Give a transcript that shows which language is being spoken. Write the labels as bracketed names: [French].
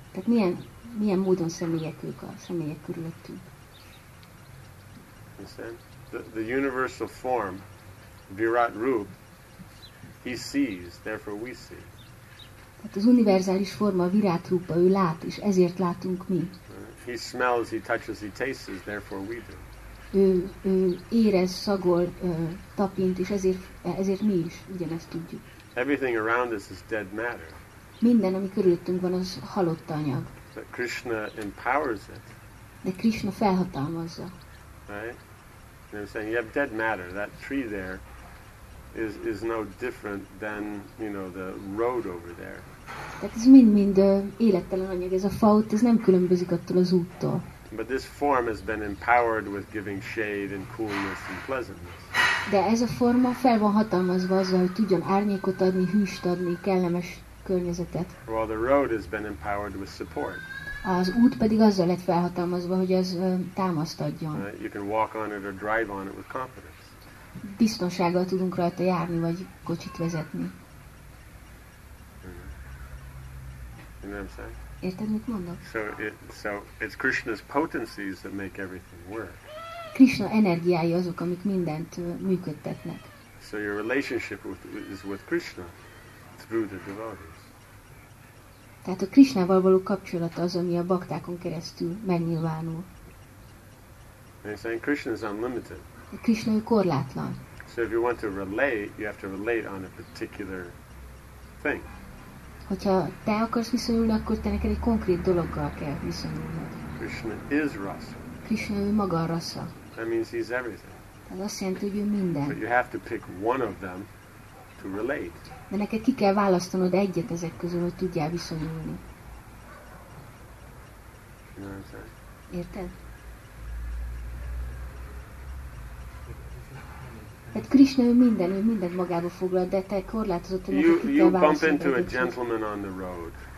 [Hungarian] Tehát milyen módon személyek ők a személyek körülöttünk? [English] The universal form, Virat Rup, he sees, therefore we see. [Hungarian] Tehát az univerzális forma, a virát rúpa, ő lát, és ezért látunk mi. [English] He smells, he touches, he tastes, therefore we do. [Hungarian] Ő érez, szagol, tapint, és ezért mi is ugyanezt tudjuk. [English] Everything around us is dead matter. [Hungarian] Minden, ami körülöttünk van, az halott anyag. [English] But Krishna empowers it. [Hungarian] De Krishna felhatalmazza. [English] Right? And I'm saying, you have dead matter, that tree there, is no different than, you know, the road over there. [Hungarian] Tehát ez mind élettelen anyag, ez a fa ott, ez nem különbözik attól az úttól. [English] But this form has been empowered with giving shade and coolness and pleasantness. [Hungarian] De ez a forma fel van hatalmazva azzal, hogy tudjon árnyékot adni, hűst adni, kellemes környezetet. [English] While the road has been empowered with support. [Hungarian] Az út pedig azzal lett felhatalmazva, hogy az támaszt adjon. [English] You can walk on it or drive on it with confidence. [Hungarian] Biztonsággal tudunk rajta járni, vagy kocsit vezetni. Mm-hmm. Érted, mit mondok? [English] So it's Krishna's potencies that make everything work. [Hungarian] Krishna energiái azok, amik mindent működtetnek. [English] So your relationship is with Krishna through the devotees. [Hungarian] Tehát a Krishnával való kapcsolat az, ami a baktákon keresztül megnyilvánul. [English] Saying, Krishna is unlimited. [Hungarian] Krishna korlátlan. [English] So if you want to relate, you have to relate on a particular thing. [Hungarian] Hogyha te akarsz viszonyulni, akkor te neked egy konkrét dologgal kell viszonyulnod. [English] Krishna is rasa. [Hungarian] Krishna ő maga a rasa. [English] That means he's everything. [Hungarian] Ez azt jelenti, hogy ő minden. [English] But you have to pick one of them to relate. [Hungarian] De neked ki kell választanod egyet ezek közül, hogy tudjál viszonyulni. Érted? Tehát Krishna ő mindent magába foglal, de te korlátozottan neki kell válaszolni. [English] You bump into a gentleman on the road.